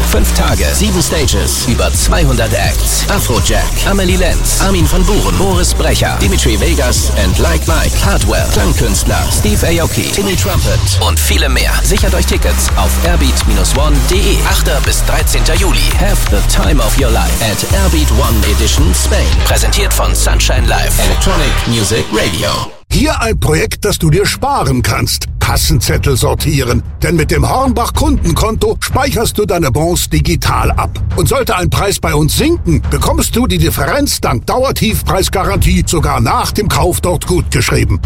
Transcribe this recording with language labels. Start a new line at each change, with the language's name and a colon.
German: 5 Tage, 7 Stages, über 200 Acts. Afrojack, Amelie Lenz, Armin van Buuren, Boris Brecher, Dimitri Vegas and Like Mike, Hardwell, Klangkünstler, Steve Aoki, Timmy Trumpet und viele mehr. Sichert euch Tickets auf airbeat-one.de. 8. bis 13. Juli.
English: Have the time of your life at Airbeat One Edition Spain.
German: Präsentiert von Sunshine Live.
English: Electronic Music Radio.
German: Hier ein Projekt, das du dir sparen kannst. Kassenzettel sortieren. Denn mit dem Hornbach Kundenkonto speicherst du deine Bons digital ab. Und sollte ein Preis bei uns sinken, bekommst du die Differenz dank Dauertiefpreisgarantie sogar nach dem Kauf dort gutgeschrieben.